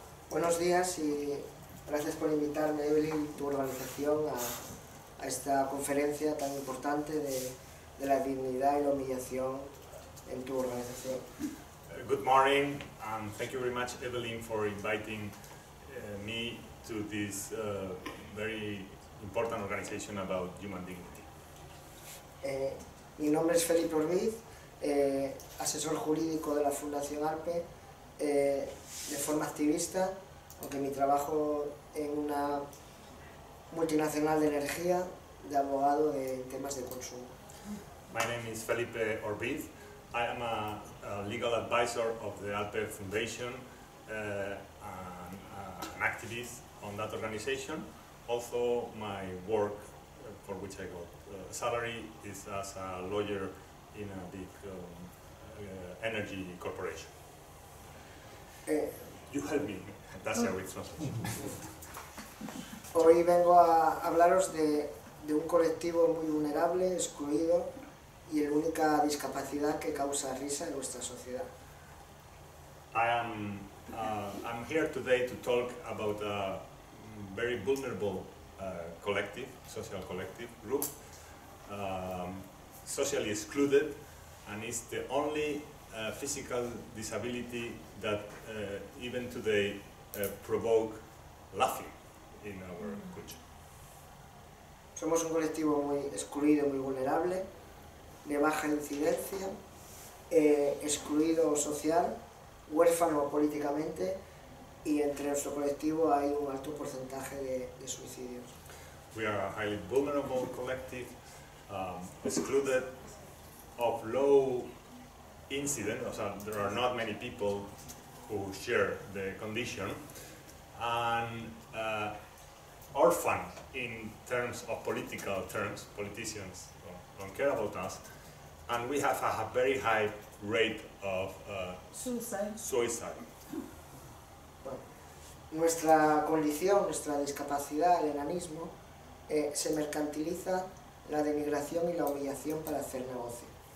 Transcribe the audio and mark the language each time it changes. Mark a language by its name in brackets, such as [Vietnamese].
[Spanish] Buenos días y gracias por invitarme, Evelyn, tu organización, a esta conferencia tan importante de la dignidad y la humillación en tu organización. [English] Good morning, and thank you very much, Evelyn, for inviting me to this very important organization about human dignity. [Spanish] Mi nombre es Felipe Orviz, asesor jurídico de la Fundación ALPE, de forma activista, aunque mi trabajo en una multinacional de energía, de abogado de temas de consumo. [English] My name is Felipe Orviz. I am a legal advisor of the ALPE Foundation, an activist on that organization. Also, my work for which I got salary is as a lawyer in a big energy corporation. You help me. That's a great translation. [Spanish] Hoy vengo a hablaros de un colectivo muy vulnerable, excluido, y la única discapacidad que causa risa en nuestra sociedad. [English] I'm here today to talk about a very vulnerable collective, social collective group, socially excluded, and it's the only physical disability that even today provoke laughing in our culture. [Spanish] Somos un colectivo muy excluido, muy vulnerable, de baja incidencia, excluido social, huérfano políticamente, y entre nuestro colectivo hay un alto porcentaje de suicidios. [English] We are a highly vulnerable collective, excluded, of low incidence, so there are not many people who share the condition, and orphan in terms of political terms, politicians don't care about us, and we have a very high rate of suicide. [Spanish] Nuestra condición, nuestra discapacidad, el enanismo, se mercantiliza la denigración y la humillación para hacer negocio.